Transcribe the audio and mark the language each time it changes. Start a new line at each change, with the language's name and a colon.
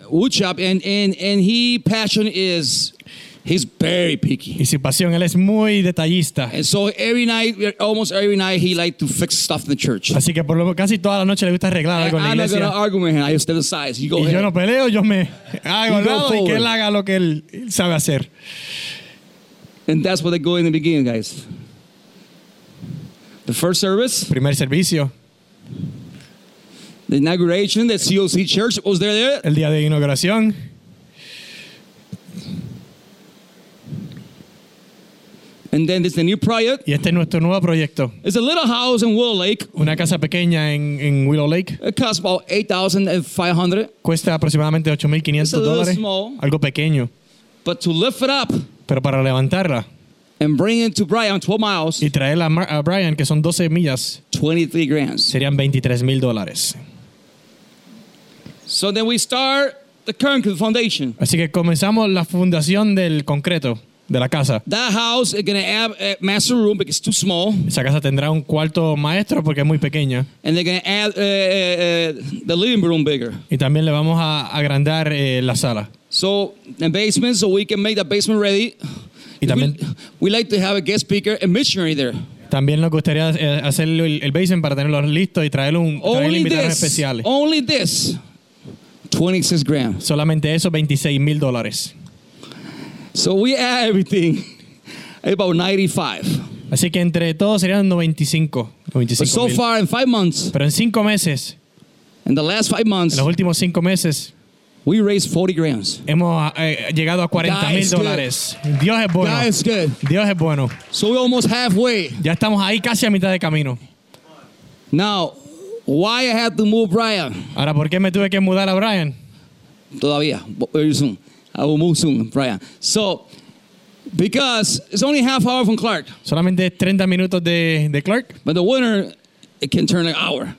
English: Wood shop and he passion is he's very picky.
Spanish: Y su pasión, él es muy detallista.
English: And so every night, almost every night, he likes to fix stuff in the church.
Spanish: Así que por lo casi toda la noche le gusta arreglar algo en la iglesia.
English: I'm not gonna argue with him. I just emphasize. You go
Spanish: y
English: ahead.
Spanish: Yo no peleo, yo me hago lado y que él haga lo que él sabe hacer.
English: And that's what they go in the beginning, guys. The first service.
Spanish: Primer servicio.
English: The inauguration, the COC church was there.
Spanish: El día de inauguración.
English: And then there's the new project.
Spanish: Y este es nuestro nuevo proyecto.
English: It's a little house in Willow Lake.
Spanish: Una casa pequeña en Willow Lake.
English: It costs about $8,500.
Spanish: Cuesta aproximadamente $8,500.
English: It's a little small.
Spanish: Algo pequeño.
English: But to lift it up.
Spanish: Pero para levantarla.
English: And bring it to Brian, 12 miles.
Spanish: Y traerla a Brian, que son 12 millas.
English: $23,000.
Spanish: Serían $23,000.
English: So then we start the concrete foundation.
Spanish: Así que comenzamos la fundación del concreto. De la casa.
English: That house is going to have a master room because it's too small.
Spanish: Esa casa tendrá un cuarto maestro porque es muy pequeña.
English: And they're going to add the living room bigger.
Spanish: Y también le vamos a agrandar la sala.
English: So, the basement, so we can make the basement ready.
Spanish: Y también,
English: we like to have a guest speaker and missionary there.
Spanish: También nos gustaría hacer el basement para tenerlo listo y traerle un invitado especial.
English: Only this, $26,000.
Spanish: Solamente eso, $26,000.
English: So we add everything, about 95.
Spanish: Así que entre todos serían 95.
English: But so far in 5 months.
Spanish: Pero en 5 meses.
English: In the last 5 months.
Spanish: En los últimos 5 meses.
English: We raised 40 grand.
Spanish: Hemos llegado a 40 mil dólares. Dios es bueno.
English: God is good.
Spanish: Dios es bueno.
English: So we're almost halfway.
Spanish: Ya estamos ahí casi a mitad de camino.
English: Now, why I had to move Brian?
Spanish: Ahora, ¿por qué me tuve que mudar a Brian? Todavía.
English: Very soon. I will move soon, Brian. So, because it's only half hour from Clark.
Spanish: Solamente 30 minutos de Clark.
English: But the winter, it can turn an hour.